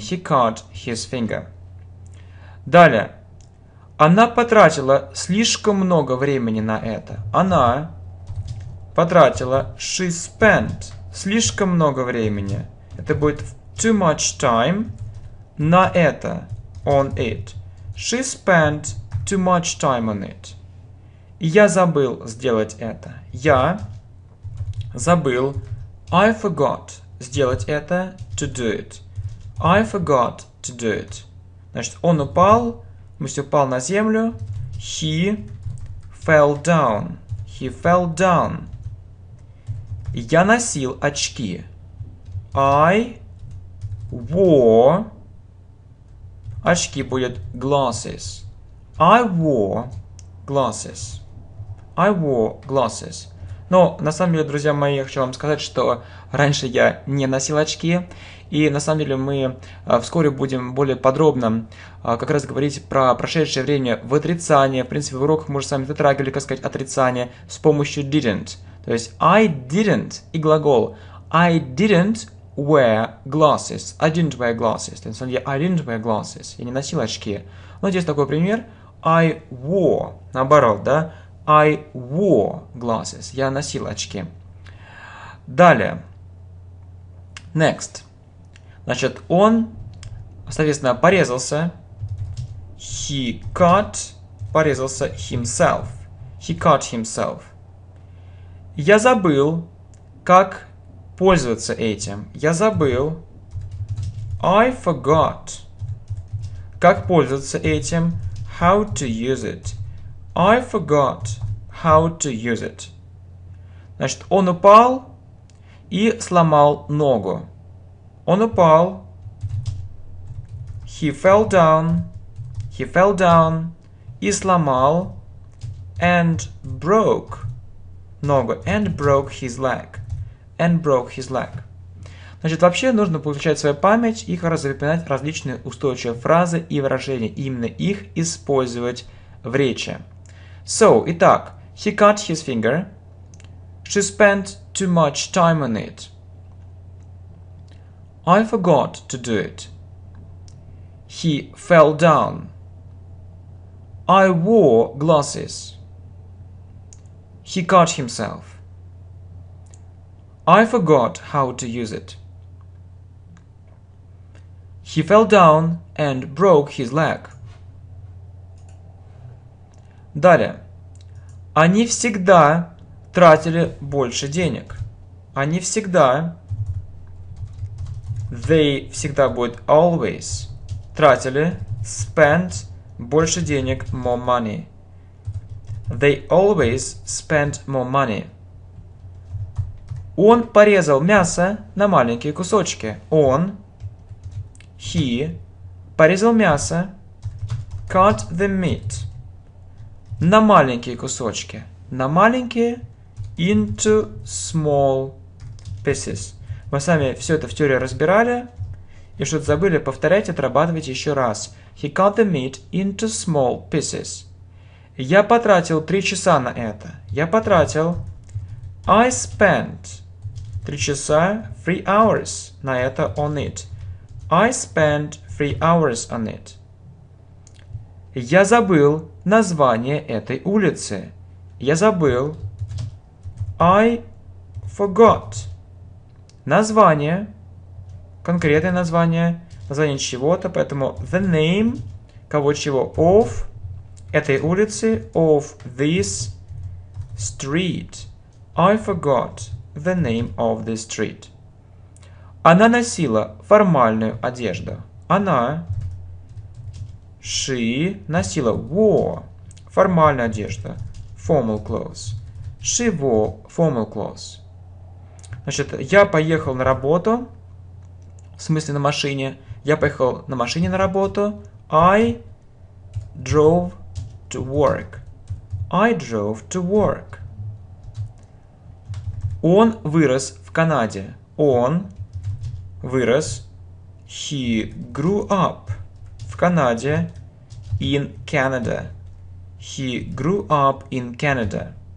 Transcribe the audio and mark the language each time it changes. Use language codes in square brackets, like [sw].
[en] He cut his finger. [ru] Далее. Она потратила слишком много времени на это. Она потратила. [en] She spent [ru] слишком много времени. Это будет [en] too much time [ru] на это. [en] On it. She spent too much time on it. [ru] Я забыл сделать это. Я забыл. [en] I forgot [ru] сделать это. [en] To do it. I forgot to do it. [ru] Значит, он упал. Мусь упал на землю. [en] He fell down. He fell down. [ru] Я носил очки. [en] I wore. [ru] Очки будет [en] glasses. I wore glasses. I wore glasses. [ru] Но на самом деле, друзья мои, я хочу вам сказать, что раньше я не носил очки. И на самом деле мы вскоре будем более подробно как раз говорить про прошедшее время в отрицании. В принципе, в уроках мы уже с вами затрагивали, как сказать, отрицание с помощью didn't. То есть [en] I didn't [ru] и глагол [en] I didn't wear glasses. I didn't wear glasses. [ru] То есть, на самом деле, [en] I didn't wear glasses. [ru] Я не носил очки. Но здесь такой пример. [en] I wore. [ru] Наоборот, да? [en] I wore glasses. [ru] Я носил очки. Далее. [en] Next. [ru] Значит, он, соответственно, порезался. [en] He cut. [ru] Порезался [en] himself. He cut himself. [ru] Я забыл, как пользоваться этим. Я забыл. [en] I forgot. [ru] Как пользоваться этим? [en] How to use it. I forgot how to use it. [ru] Значит, он упал и сломал ногу. [en] Он упал. He fell down. He fell down. [ru] И сломал. [en] And broke [ru] ногу. [en] And broke his leg. And broke his leg. [ru] Значит, вообще нужно получать свою память и хорошо запоминать различные устойчивые фразы и выражения, именно их использовать в речи. [en] So, [ru] итак, [en] he cut his finger. She spent too much time on it. I forgot to do it. He fell down. I wore glasses. He cut himself. I forgot how to use it. He fell down and broke his leg. [ru] Далее. Они всегда тратили больше денег. Они всегда. [en] They [ru] всегда будет [en] always. [ru] Тратили. [en] Spent. [ru] Больше денег. [en] More money. They always spend more money. [ru] Он порезал мясо на маленькие кусочки. Он, [en] he, [ru] порезал мясо, [en] cut the meat, [ru] на маленькие кусочки. На маленькие, [en] into small pieces. [ru] Мы с вами все это в теории разбирали. И что-то забыли, повторяйте, отрабатывайте еще раз. [en] He cut the meat into small pieces. [ru] Я потратил 3 часа на это. Я потратил. [en] I spent 3 [ru] часа, [en] 3 hours [ru] на это [en] on it. I spent 3 hours on it. [ru] Я забыл название этой улицы. Я забыл. [en] I forgot. [ru] Название. Конкретное название. Название чего-то, поэтому [en] the name [ru] кого-чего of этой улицы, [en] of this street. I forgot the name of the street. [ru] Она носила формальную одежду. Она, [en] she, [ru] носила [en] wore [ru] формальную одежду. [en] Formal clothes. She wore formal clothes. [ru] Значит, я поехал на работу. В смысле, на машине. Я поехал на машине на работу. [en] I drove to work. I drove to work. [ru] Он вырос в Канаде. Он вырос. [en] He grew up [ru] в Канаде. [en] In Canada. He grew up in Canada.